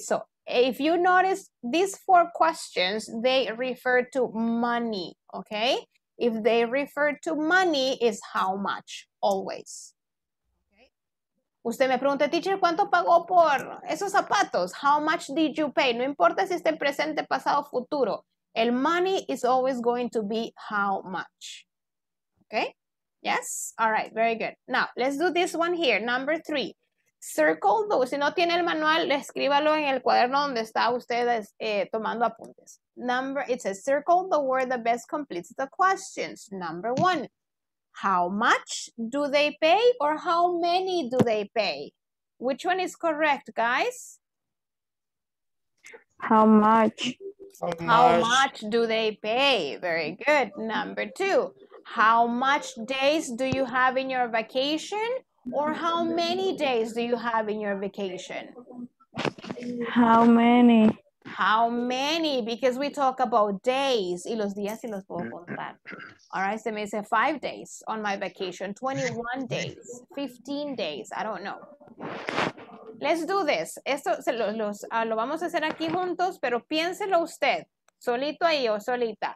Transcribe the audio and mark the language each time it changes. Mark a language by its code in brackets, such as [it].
[en] So if you notice these four questions, they refer to money. Okay. If they refer to money, it's how much always. [es] Usted me pregunta, teacher, ¿cuánto pagó por esos zapatos? [en] How much did you pay? [es] No importa si está en presente, pasado, futuro. [en] El money is always going to be how much. Okay? Yes? All right, very good. Now, let's do this one here. Number three. Circle those. [es] Si no tiene el manual, escríbalo en el cuaderno donde está usted tomando apuntes. [en] Number, it says, circle the word that best completes the questions. Number one. How much do they pay or how many do they pay? Which one is correct, guys? How much? How much do they pay? Very good. Number two, how much days do you have in your vacation or how many days do you have in your vacation? How many? How many? Because we talk about days. [es] Y los días y los puedo contar. [en] All right, [es] se me dice [en] 5 days on my vacation, 21 days, 15 days, I don't know. Let's do this. [es] Esto se lo vamos a hacer aquí juntos, pero piénselo usted, solito ahí o solita.